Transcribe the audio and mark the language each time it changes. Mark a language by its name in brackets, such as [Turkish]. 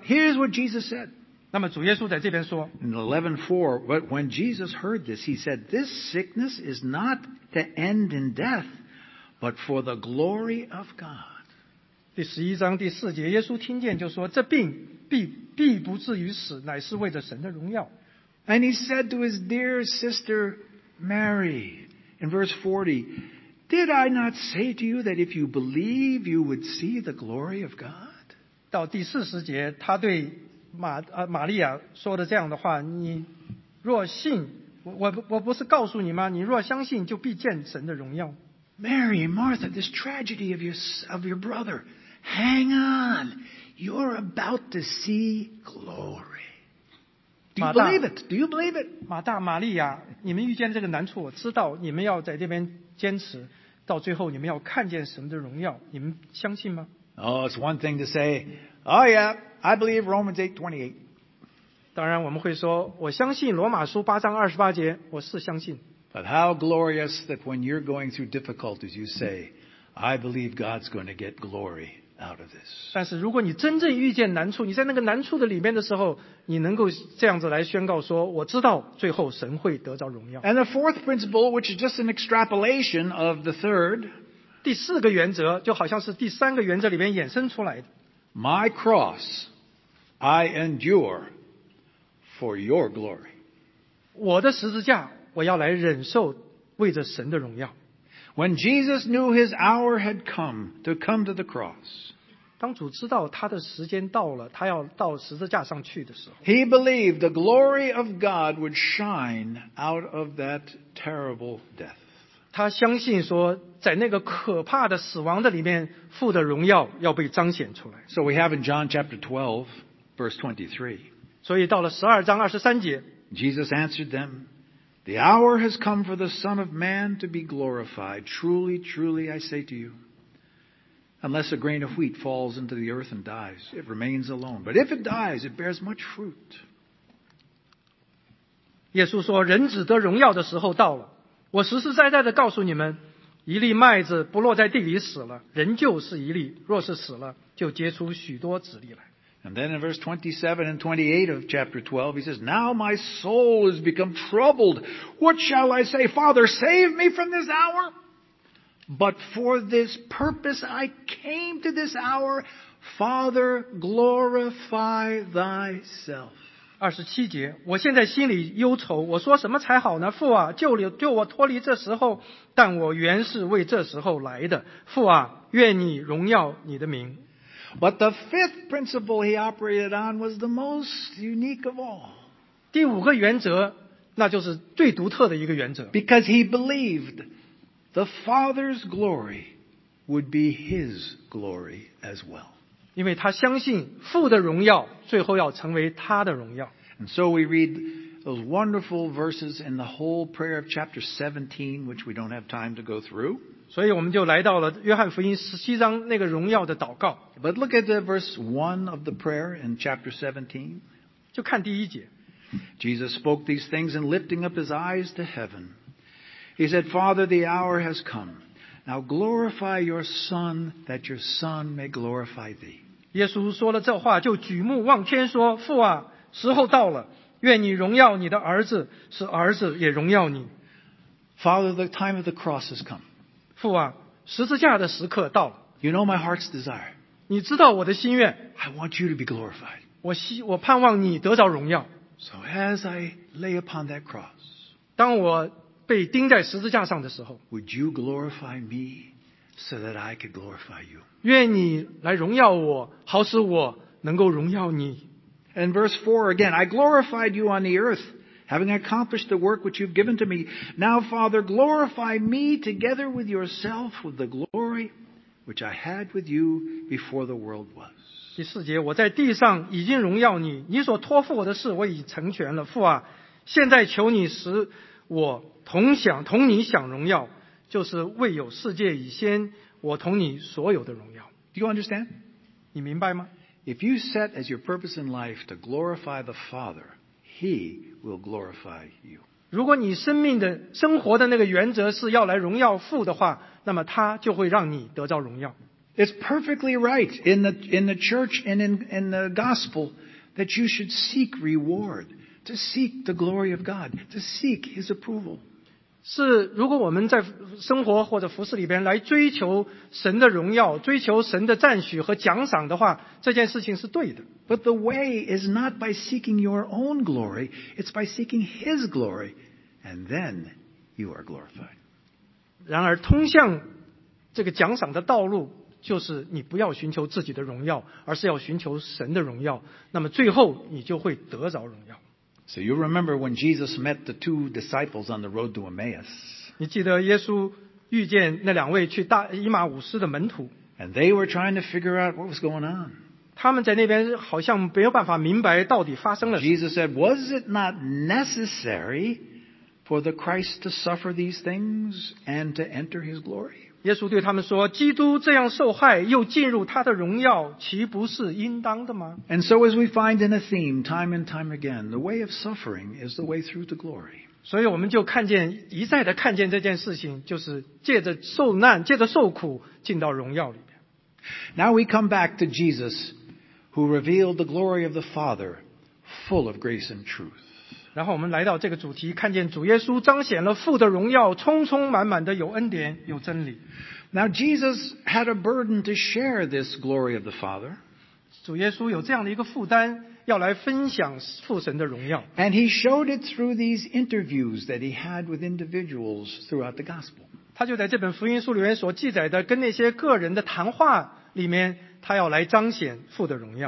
[English] Here's what Jesus said. [Chinese] 那么主耶稣在这边说 [English] In 11:4, but when Jesus heard this, he said, This sickness is not to end in death, but for the glory of God. [Chinese] 第十一章第四节，耶稣听见就说，这病必不至于死，乃是为着神的荣耀。 [English] And he said to his dear sister Mary, in verse 40, Did I not say to you that if you believe, you would see the glory of God? [Chinese] 到第四十节，他对玛利亚说的这样的话你若信 我不是告诉你吗你若相信就必见神的荣耀 [English] Mary, Martha, this tragedy of your brother Hang on, you're about to see glory Do you believe it? Do you believe it? [Chinese] 马大玛利亚你们遇见这个难处我知道你们要在这边坚持到最后你们要看见神的荣耀你们相信吗 [English] Oh, it's one thing to say Oh yeah,I believe Romans 8:28. [Chinese] 当然我们会说我相信罗马书八章二十八节我是相信。 [English] But how glorious that when you're going through difficulties you say, I believe God's going to get glory out of this. [Chinese] 但是如果你真正遇见难处你在那个难处的里面的时候你能够这样子来宣告说我知道最后神会得到荣耀。 [English] And the fourth principle, which is just an extrapolation of the third. [Chinese] 第四个原则就好像是第三个原则里面衍生出来的。 [English] My cross, I endure for your glory. [Chinese] 我的十字架，我要来忍受，为着神的荣耀。 [English] When Jesus knew his hour had come to come to the cross, [Chinese] 当主知道他的时间到了，他要到十字架上去的时候 [English] ，He believed the glory of God would shine out of that terrible death. [Chinese] 他相信说。在那个可怕的死亡的里面父的荣耀要被彰显出来。 [English] So we have in John chapter 12, verse 23. [Chinese] 所以到了十二章二十三节。 [English] Jesus answered them, The hour has come for the Son of Man to be glorified. Truly, truly, I say to you, unless a grain of wheat falls into the earth and dies, it remains alone. But if it dies, it bears much fruit. [Chinese] 耶稣说人子得荣耀的时候到了。我实实在在地告诉你们一粒麦子不落在地里死了，人就是一粒，若是死了，就结出许多籽粒来。 [English] And then in verse 27 and 28 of chapter 12, he says, "Now my soul has become troubled. What shall I say? Father, save me from this hour. But for this purpose I came to this hour. Father, glorify thyself." [Chinese] 27节，我现在心里忧愁，我说什么才好呢？父啊，救我脱离这时候，但我原是为这时候来的。父啊，愿你荣耀你的名。 [English] But the fifth principle he operated on was the most unique of all. [Chinese] 第五个原则，那就是最独特的一个原则。 [English] Because he believed the Father's glory would be his glory as well. [Chinese] 因为他相信父的荣耀最后要成为他的荣耀。 [English] And so we read those wonderful verses in the whole prayer of chapter 17, which we don't have time to go through. [Chinese] 所以我们就来到了约翰福音17章那个荣耀的祷告。 [English] But look at the verse 1 of the prayer in chapter 17. [Chinese] 就看第一节。 [English] Jesus spoke these things and lifting up his eyes to heaven. He said, Father, the hour has come. Now glorify your son, that your son may glorify thee. [Chinese] 耶稣说了这话，就举目望天说，父啊，时候到了，愿你荣耀你的儿子，使儿子也荣耀你。 [English] Father, the time of the cross has come. [Chinese] 父啊，十字架的时刻到了。 [English] You know my heart's desire. [Chinese] 你知道我的心愿。 [English] I want you to be glorified. [Chinese] 我盼望你得着荣耀。 [English] So as I lay upon that cross, [Chinese] 当我被钉在十字架上的时候， [English] Would you glorify me so that I could glorify you? [Chinese] 愿你来荣耀我，好使我能够荣耀你。 [English] And verse 4 again, I glorified you on the earth, having accomplished the work which you've given to me. Now, Father, glorify me together with yourself with the glory which I had with you before the world was. [Chinese] 第四节，我在地上已经荣耀你，你所托付我的事我已成全了。父啊，现在求你使我同你享荣耀，就是未有世界以先，我同你所有的荣耀。 [English] Do you understand? [Chinese] 你明白吗？ [English] If you set as your purpose in life to glorify the Father, He will glorify you. [Chinese] 如果你生活的那个原则是要来荣耀父的话，那么他就会让你得到荣耀。 [English] It's perfectly right in the church and in the gospel that you should seek reward, to seek the glory of God, to seek His approval. [Chinese] 是如果我们在生活或者服事里边来追求神的荣耀，追求神的赞许和奖赏的话，这件事情是对的。 [English] But the way is not by seeking your own glory, it's by seeking His glory, and then you are glorified. [Chinese] 然而通向这个奖赏的道路，就是你不要寻求自己的荣耀，而是要寻求神的荣耀，那么最后你就会得着荣耀。 [English] So you remember when Jesus met the two disciples on the road to Emmaus. [Chinese] 你记得耶稣遇见那两位去以马忤斯的门徒。 [English] And they were trying to figure out what was going on. [Chinese] 他们在那边好像没有办法明白到底发生了什么。 [English] Jesus said, was it not necessary for the Christ to suffer these things and to enter his glory? [Chinese] 耶稣对他们说，基督这样受害又进入他的荣耀，岂不是应当的吗？ [English] And so as we find in a theme time and time again, the way of suffering is the way through to glory. [Chinese] 所以我们就一再的看见这件事情，就是借着受难，借着受苦进到荣耀里面。 [English] Now we come back to Jesus who revealed the glory of the Father full of grace and truth. [Chinese] 然后我们来到这个主题，看见主耶稣彰显了父的荣耀，充充满满的有恩典有真理。 [English] Now Jesus had a burden to share this glory of the Father. [Chinese] 主耶稣有这样的一个负担，要来分享父神的荣耀。 [English] And he showed it through these interviews that he had with individuals throughout the gospel. [Chinese] 他就在这本福音书里面所记载的跟那些个人的谈话里面，他要来彰显父的荣耀。